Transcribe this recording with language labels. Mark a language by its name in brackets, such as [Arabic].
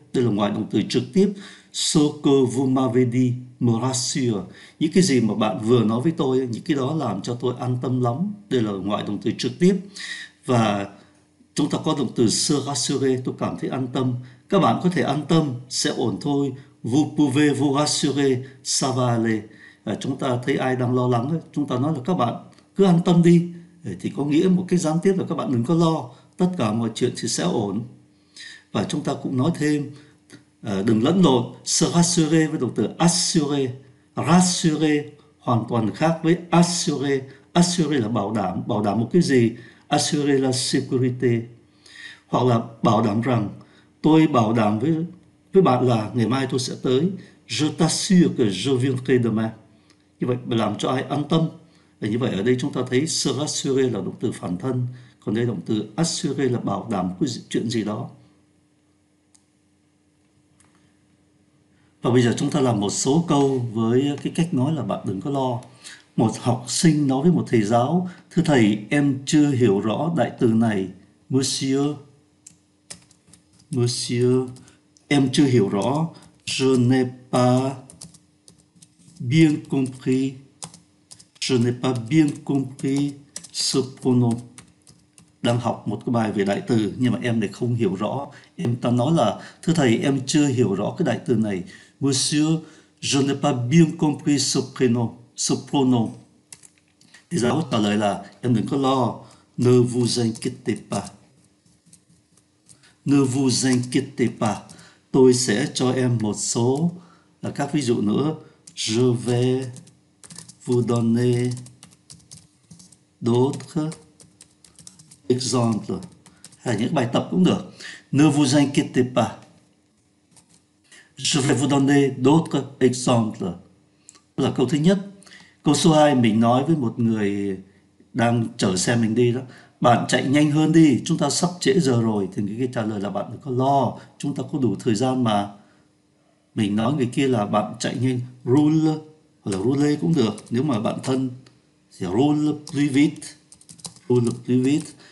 [Vietnamese] Đây là ngoại động từ trực tiếp, soko vumavedi morasio, những cái gì mà bạn vừa nói với tôi, những cái đó làm cho tôi an tâm lắm. Đây là ngoại động từ trực tiếp. Và chúng ta có động từ serasure, tôi cảm thấy an tâm. Các bạn có thể an tâm, sẽ ổn thôi. [French] Vous pouvez vous rassurer, ça va aller. [Vietnamese] À, chúng ta thấy ai đang lo lắng, chúng ta nói là các bạn cứ an tâm đi. Thì có nghĩa một cái gián tiếp là các bạn đừng có lo, tất cả mọi chuyện thì sẽ ổn. Và chúng ta cũng nói thêm, đừng lẫn lộn, serasure với động từ assure, rassure hoàn toàn khác với assure. Assure là bảo đảm một cái gì? Assure là security. Hoặc là bảo đảm rằng, tôi bảo đảm với bạn là ngày mai tôi sẽ tới. [French] Je t'assure que je viendrai demain. [Vietnamese] Như vậy làm cho ai an tâm. Và như vậy ở đây chúng ta thấy sera sure là động từ phản thân, còn đây động từ assure là bảo đảm cái chuyện gì đó. Và bây giờ chúng ta làm một số câu với cái cách nói là bạn đừng có lo. Một học sinh nói với một thầy giáo: Thưa thầy, em chưa hiểu rõ đại từ này. Monsieur, monsieur, em chưa hiểu rõ. [French] Je n'ai pas bien compris. Je n'ai pas bien compris ce pronom. [Vietnamese] Đang học một cái bài về đại từ nhưng mà em lại không hiểu rõ. Em ta nói là, thưa thầy, em chưa hiểu rõ cái đại từ này. [French] Monsieur, je n'ai pas bien compris ce pronom. [Vietnamese] Thì giáo trả lời là, em đừng có lo. [French] Ne vous inquiétez pas. Ne vous inquiétez pas. [Vietnamese] Tôi sẽ cho em một số là các ví dụ nữa. [French] Je vais vous donner d'autres exemples. [Vietnamese] Hay những bài tập cũng được. [French] Ne vous inquiétez pas. Je vais vous donner d'autres exemples. [Vietnamese] Đó là câu thứ nhất. Câu số 2, mình nói với một người đang chở xe mình đi đó. Bạn chạy nhanh hơn đi, chúng ta sắp trễ giờ rồi. Thì cái trả lời là bạn đừng có lo, chúng ta có đủ thời gian mà. Mình nói người kia là bạn chạy nhanh. Roule, là roulé cũng được, nếu mà bạn thân thì [French] roule plus vite, roule plus vite.